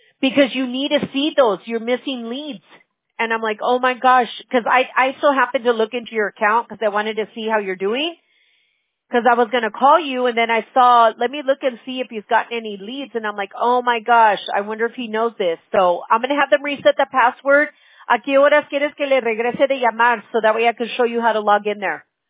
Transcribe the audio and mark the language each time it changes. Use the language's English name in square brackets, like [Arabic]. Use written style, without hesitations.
[English] Because you need to see those. You're missing leads. And I'm like, oh, my gosh. Because I still happened to look into your account because I wanted to see how you're doing. Because I was going to call you, and then I saw, let me look and see if he's gotten any leads. And I'm like, oh, my gosh, I wonder if he knows this. So I'm going to have them reset the password. [Spanish] ¿A qué horas quieres que le regrese de llamar? [English] So that way I can show you how to log in there.